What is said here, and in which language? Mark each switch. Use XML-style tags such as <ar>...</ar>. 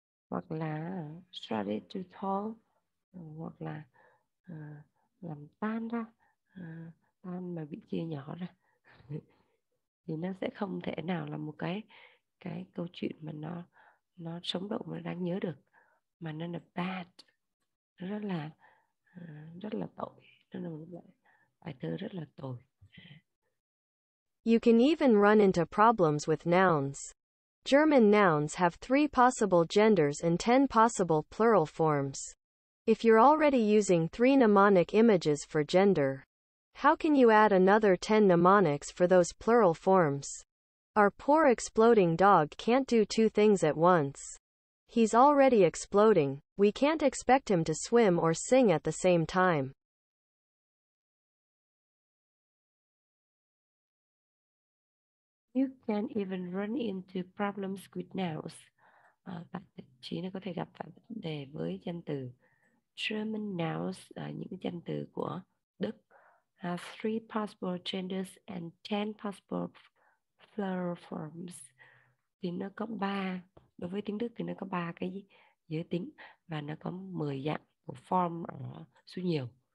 <vi>hoặc là</vi> <en>strike to fall,</en> <vi>hoặc là làm tan ra, tan mà bị chia nhỏ ra thì nó sẽ không thể nào là một cái câu chuyện mà nó sống động và đáng nhớ được, mà nó là bad, rất là tội, nó là một bài thơ rất là tồi.</vi> <en>You can even run into problems with nouns. German nouns have 3 possible genders and 10 possible plural forms. If you're already using 3 mnemonic images for gender, how can you add another 10 mnemonics for those plural forms? Our poor exploding dog can't do 2 things at once. He's already exploding. We can't expect him to swim or sing at the same time. You can even run into problems with nouns.</en> <vi>Chỉ nó có thể gặp phải vấn đề với danh từ.</vi> <en>German nouns,</en> <vi>những danh từ của Đức,</vi> <en>have 3 possible genders and 10 possible plural forms.</en> <vi>Thì nó có 3, đối với tiếng Đức thì nó có 3 cái giới tính và nó có 10 dạng của form ở số nhiều.</vi>